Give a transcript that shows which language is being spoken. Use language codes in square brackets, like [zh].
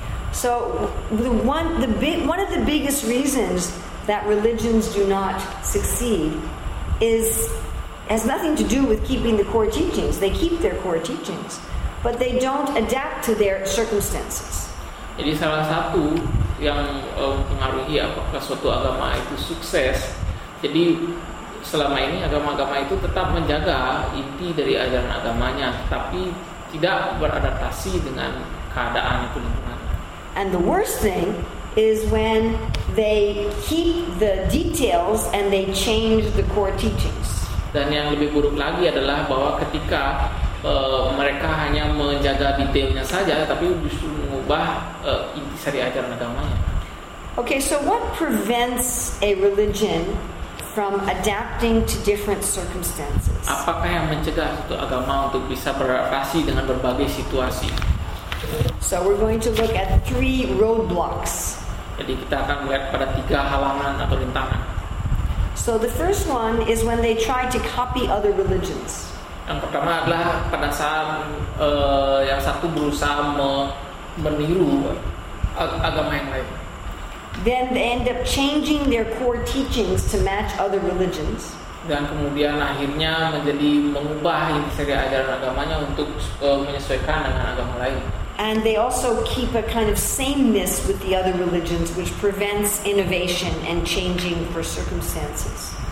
[en] So one of the biggest reasons that religions do not succeed is has nothing to do with keeping the core teachings. They keep their core teachings, but they don't adapt to their circumstances. [id] Jadi salah satu yang mempengaruhi apakah suatu agama itu sukses, jadi selama ini agama-agama itu tetap menjaga inti dari ajaran agamanya, tapi tidak beradaptasi dengan keadaan itu. [en] And the worst thing is when they keep the details and they change the core teachings. [id] Dan yang lebih buruk lagi adalah bahwa ketika mereka hanya menjaga detailnya saja, tapi justru mengubah intisari ajaran agamanya. [en] Okay, so what prevents a religion from adapting to different circumstances? [id] Apakah yang mencegah suatu agama untuk bisa beradaptasi dengan berbagai situasi? [en] So we're going to look at three roadblocks. [id] Jadi kita akan melihat pada tiga halangan atau rintangan. [en] So the first one is when they try to copy other religions. [id] Yang pertama adalah pada saat yang satu berusaha meniru agama yang lain. [en] Then they end up changing their core teachings to match other religions. [id] Dan kemudian akhirnya menjadi mengubah inti ajaran agamanya untuk menyesuaikan dengan agama lain. [en] And they also keep a kind of sameness with the other religions, which prevents innovation and changing for circumstances.